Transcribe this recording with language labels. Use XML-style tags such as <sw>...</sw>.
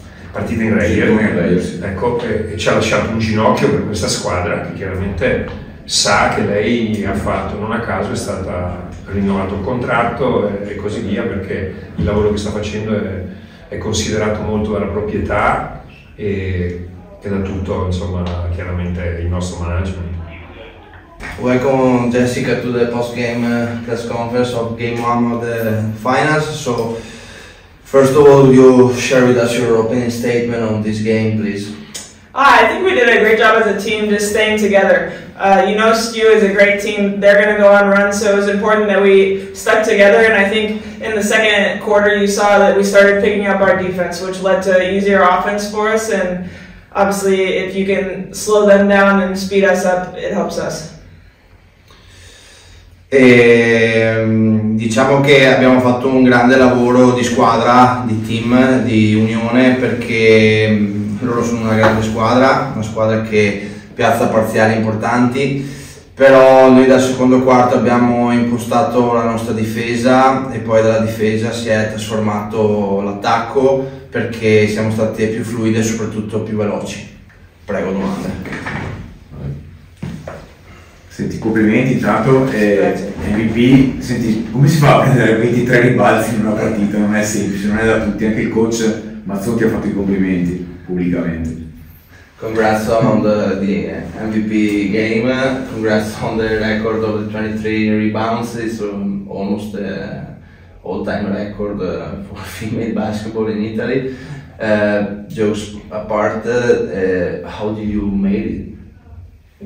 <it>partita in Reyer, ecco, e ci ha lasciato un ginocchio per questa squadra, che chiaramente sa che lei ha fatto, non a caso è stata rinnovato il contratto e così via, perché il lavoro che sta facendo è considerato molto dalla proprietà e da tutto, insomma, chiaramente il nostro management.</it> <en>Welcome Jessica to the post-game press conference of game 1 of the finals. So, first of all, you share with us your opening statement on this game, please. I think we did a great job as a team just staying together. You know, SKU is a great team. They're going to go on runs, so it was important that we stuck together. And I think in the second quarter, you saw that we started picking up our defense, which led to easier offense for us. And obviously, if you can slow them down and speed us up, it helps us.</en> <it>E, diciamo che abbiamo fatto un grande lavoro di squadra, di team, di unione, perché loro sono una grande squadra, una squadra che piazza parziali importanti, però noi dal secondo quarto abbiamo impostato la nostra difesa e poi dalla difesa si è trasformato l'attacco, perché siamo state più fluide e soprattutto più veloci. Prego, domande. Senti, complimenti intanto, MVP, senti, come si fa a prendere 23 rimbalzi in una partita? Non è semplice, non è da tutti, anche il coach Mazzotti ha fatto i complimenti pubblicamente.</it> <en>Congrats on the MVP game, congrats on the record of the 23 rebounds, it's almost the all-time record for female basketball in Italy. Jokes apart, how do you make it?</en>